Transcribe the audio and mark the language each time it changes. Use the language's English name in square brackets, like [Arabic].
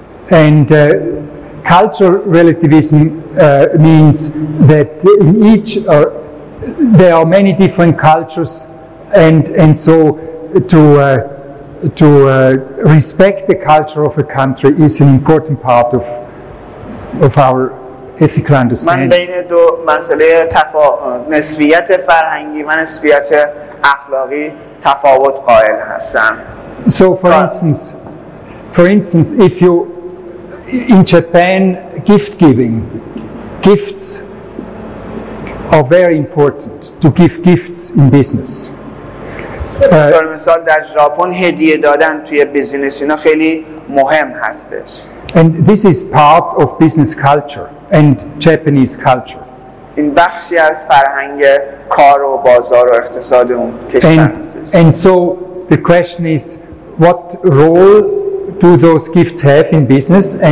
[English] And cultural relativism means that in each there are many different cultures, and so to respect the culture of a country is an important part of our ethical understanding. [Persian] من بین دو مسئله نسبیت فرهنگی و نسبیت اخلاقی تفاوت قائل هستم. [English] So for instance, if you in Japan gifts are very important, to give gifts in business. [Persian] در مثال در ژاپن هدیه دادن توی بیزینس اینا خیلی مهم هستش. [English] And this is part of business culture and Japanese culture. [Persian] این بخشی از فرهنگ کار و بازار و اقتصاد اون کشور. [English] And so the question is, what role do those gifts have in business?